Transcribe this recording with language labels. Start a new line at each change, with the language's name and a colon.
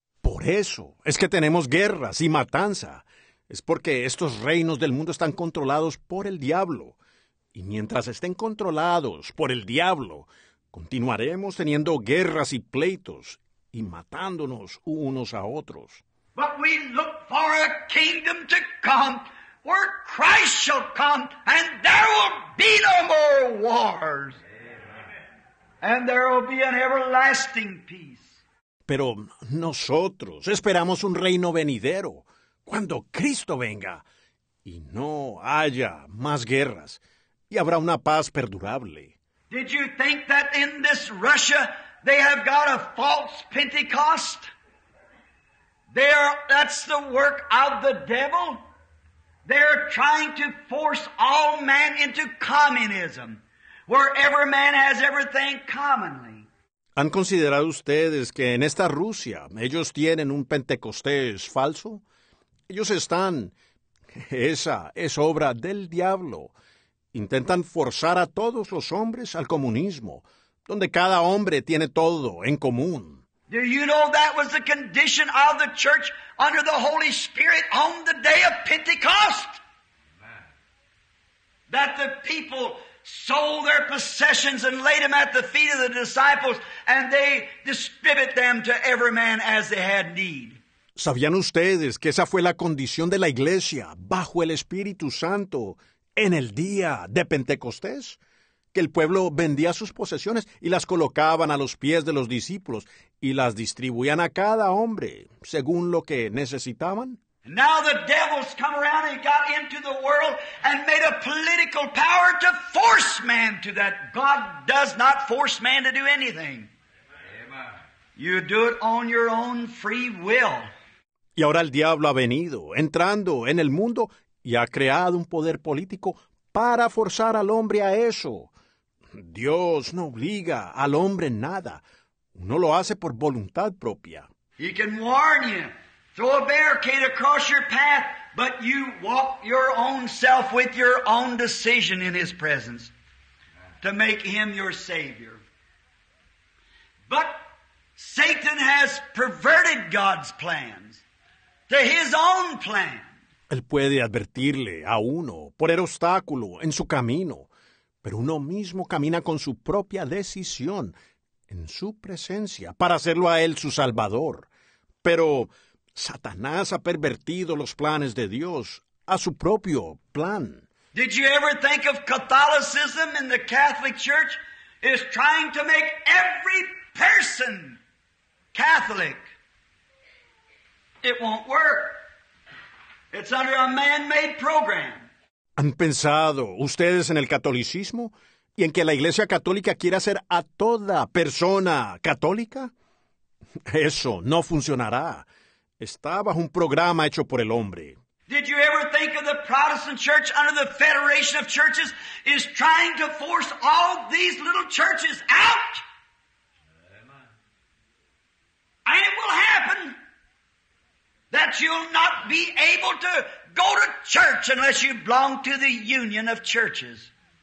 Spanish: Por eso es que tenemos guerras y matanza. Es porque estos reinos del mundo están controlados por el diablo. Y mientras estén controlados por el diablo, continuaremos teniendo guerras y pleitos y matándonos unos a otros.
English: But we look for a kingdom to come where Christ shall come and there will be no more wars. Amen. And there will be an everlasting peace.
Spanish: Pero nosotros esperamos un reino venidero, cuando Cristo venga, y no haya más guerras, y habrá una paz perdurable.
English: Did you think that in this Russia they have got a false Pentecost? That's the work of the devil. They're trying to force all man into communism, where every man has everything commonly.
Spanish: ¿Han considerado ustedes que en esta Rusia ellos tienen un Pentecostés falso? Ellos están. Esa es obra del diablo. Intentan forzar a todos los hombres al comunismo, donde cada hombre tiene todo en común.
English: Do you know that was the condition of the church under the Holy Spirit on the day of Pentecost? Amen. That the people sold their possessions and laid them at the feet of the disciples, and they distributed them to every man as they had need.
Spanish: ¿Sabían ustedes que esa fue la condición de la iglesia bajo el Espíritu Santo en el día de Pentecostés? Que el pueblo vendía sus posesiones y las colocaban a los pies de los discípulos y las distribuían a cada hombre según lo que necesitaban.
English: Now the devil's come around and got into the world and made a political power to force man to that. God does not force man to do anything. You do it on your own free will.
Spanish: Y ahora el diablo ha venido, entrando en el mundo, y ha creado un poder político para forzar al hombre a eso. Dios no obliga al hombre en nada. Uno lo hace por voluntad propia.
English: He can warn you, throw a barricade across your path, but you walk your own self with your own decision in his presence to make him your savior. But Satan has perverted God's plans to his own plan.
Spanish: Él puede advertirle a uno, poner obstáculo en su camino, pero uno mismo camina con su propia decisión en su presencia para hacerlo a él su salvador. Pero Satanás ha pervertido los planes de Dios a su propio plan.
English: Did you ever think of Catholicism in the Catholic Church is trying to make every person Catholic? It won't work. It's under a man-made program.
Spanish: ¿Han pensado ustedes en el catolicismo y en que la Iglesia Católica quiere hacer a toda persona católica? Eso no funcionará. Está bajo un programa hecho por el hombre.
English: Did you ever think of the Protestant Church under the Federation of Churches is trying to force all these little churches out? And it will happen that you'll not be able to go to church unless you belong to the union of churches.